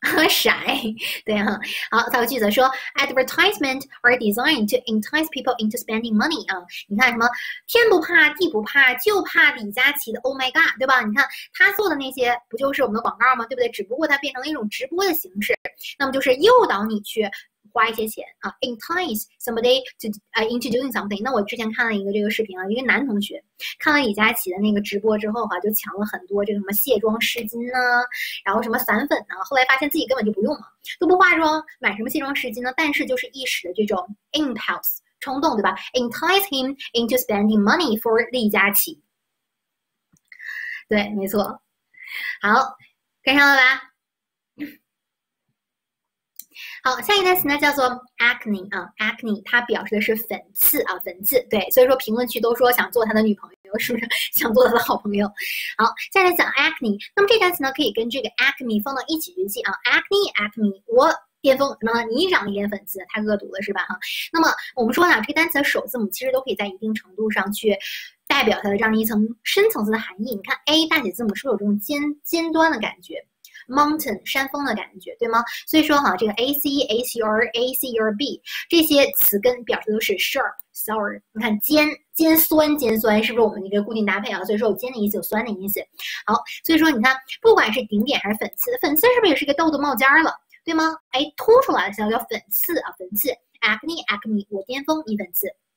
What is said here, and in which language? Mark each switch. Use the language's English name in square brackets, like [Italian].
[Chinese] 甩 对啊，好，造个句子说， [English] advertisement are designed to entice people into spending money [Chinese] 啊，你看什么天不怕地不怕，就怕李佳琦的 [English] Oh my God， [Chinese] 对吧？你看他做的那些不就是我们的广告吗？对不对？只不过他变成了一种直播的形式，那么就是诱导你去花一些钱啊， [English] entice somebody to into doing something。 [Chinese] 那我之前看了一个这个视频啊，一个男同学看了李佳琦的那个直播之后哈，就抢了很多这个什么卸妆湿巾呢，然后什么散粉呢，后来发现自己根本就不用嘛，都不化妆，买什么卸妆湿巾呢？但是就是一时的这种 impulse 冲动，对吧？ [English] entice him into spending money for [Chinese] 李佳琦。对，没错。好，跟上了吧？好，下一个单词呢叫做 acne 啊，acne 它表示的是粉刺啊，粉刺。对，所以说评论区都说想做他的女朋友，是不是想做他的好朋友？好，再来讲 acne，那么这单词呢可以跟这个 acme 放到一起去记啊，acne，acme，我巅峰，那么你长了一点粉刺，太恶毒了是吧？哈，那么我们说呢，这个单词的首字母其实都可以在一定程度上去代表它的这样一层深层次的含义。你看 A 大写字母是不是有这种尖端的感觉？Mountain 山峰的感觉，对吗？所以说哈，这个 A C H R A C R B 这些词根表示都是 sharp、sour。你看尖酸，是不是我们的一个固定搭配啊？所以说有尖的意思，有酸的意思。好，所以说你看，不管是顶点还是粉刺，粉刺是不是也是一个痘痘冒尖了，对吗？哎，凸出来的叫粉刺啊，粉刺。Acne, acne，我巅峰，你粉刺。